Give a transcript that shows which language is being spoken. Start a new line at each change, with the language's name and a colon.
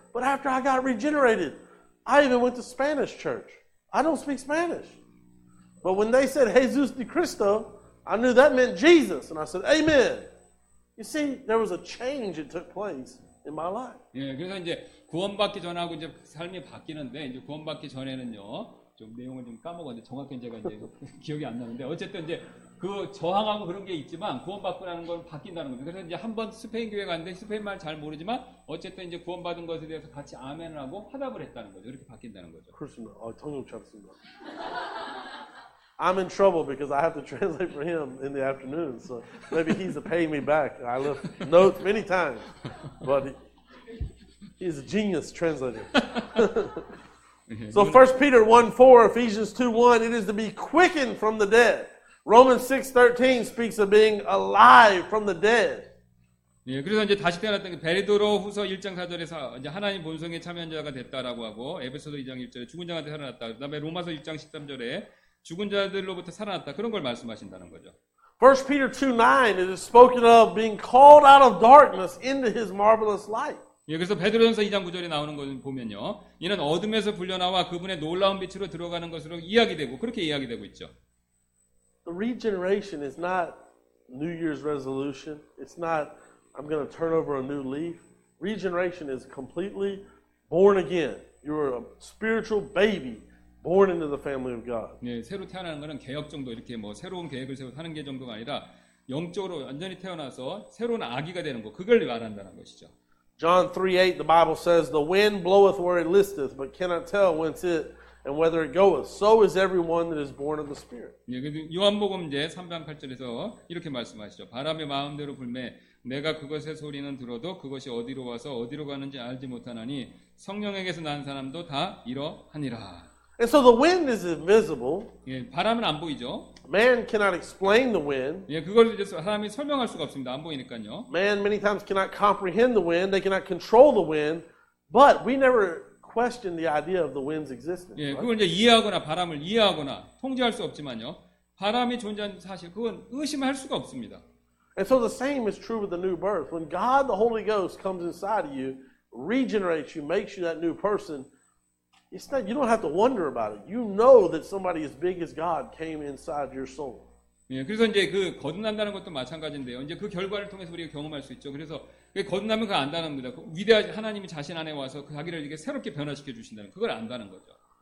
English: But after I got regenerated, I even went to Spanish church. I don't speak Spanish. But when they said Jesus de Cristo, I knew that meant Jesus. And I said, Amen. You see, there was a change that took place. In my life.
Korean: 예, 그래서 이제 구원받기 전하고 이제 삶이 바뀌는데 이제 구원받기 전에는요 좀 내용을 좀 까먹었는데 정확히 제가 이제 기억이 안 나는데 어쨌든 이제 그 저항하고 그런 게 있지만 구원받고 나는 건 바뀐다는 겁니다. 그래서 이제 한번 스페인 교회 갔는데 스페인 말 잘 모르지만 어쨌든 이제 구원받은 것에 대해서 같이 아멘을 하고 화답을 했다는 거죠. 이렇게 바뀐다는 거죠. 그렇습니다. 통역 잡습니다.
English: I'm in trouble because I have to translate for him in the afternoon. So maybe he's paying me back. I left notes many times, but he's a genius translator. So 1 Peter 1:4, Ephesians 2:1, it is to be quickened from the dead. Romans 6:13 speaks of being alive from the dead.
Korean: 예, 그래서 이제 다시 태어났던 게 베드로 후서 1장 4절에서 이제 하나님 본성에 참여한 자가 됐다라고 하고 에베소서 2장 1절에 죽은 자가 살아났다. 그다음에 로마서 1장 13절에 죽은 자들로부터 살아났다. 그런 걸 말씀하신다는 거죠.
English: 1 Peter 2:9 it is spoken of being called out of darkness into his marvelous light.
Korean: 예, 그래서 베드로전서 2장 9절에 나오는 것을 보면요. 이는 어둠에서 불려나와 그분의 놀라운 빛으로 들어가는 것으로 이야기되고 그렇게 이야기되고 있죠.
English: The regeneration is not New Year's resolution. It's not I'm going to turn over a new leaf. Regeneration is completely born again. You're a spiritual baby. Born into the family of God.
Korean: 예, 새로 태어나는 것은 개혁 정도 이렇게 뭐 새로운 계획을 세워 사는 게 정도가 아니라 영적으로 완전히 태어나서 새로운 아기가 되는 거 그걸 말한다는 것이죠.
English: John 3:8, the Bible says, "The wind bloweth where it listeth, but cannot tell whence it and whether it goeth. So is everyone that is born of the Spirit."
Korean: 요한복음 이제 3장 8절에서 이렇게 말씀하시죠. 바람의 마음대로 불매 내가 그것의 소리는 들어도 그것이 어디로 와서 어디로 가는지 알지 못하나니 성령에게서 난 사람도 다 이러하니라.
English: And so the wind is invisible.
Korean: 예, 바람은 안 보이죠.
English: Man cannot explain the wind.
Korean: 예, 그걸 이제 사람이 설명할 수가 없습니다. 안 보이니까요.
English: Man many times cannot comprehend the wind. They cannot control the wind. But we never question the idea of the wind's existence.
Korean: 예, 그걸 이제 이해하거나 바람을 이해하거나 통제할 수 없지만요. 바람이 존재하는 사실 그건 의심할 수가 없습니다.
English: And so the same is true with the new birth. When God, the Holy Ghost, comes inside of you, regenerates you, makes you that new person, it's not, you don't have to wonder about it. You know that somebody as big as God came inside your soul.
Korean: 예, 그래서 이제 그 거듭난다는 것도 마찬가지인데요. 이제 그 결과를 통해서 우리가 경험할 수 있죠. 그래서 거듭나면 그걸 안다는 겁니다. 그 위대한 하나님이 자신 안에 와서 그 자기를 이렇게 새롭게 변화시켜 주신다는 그걸 안다는 거죠.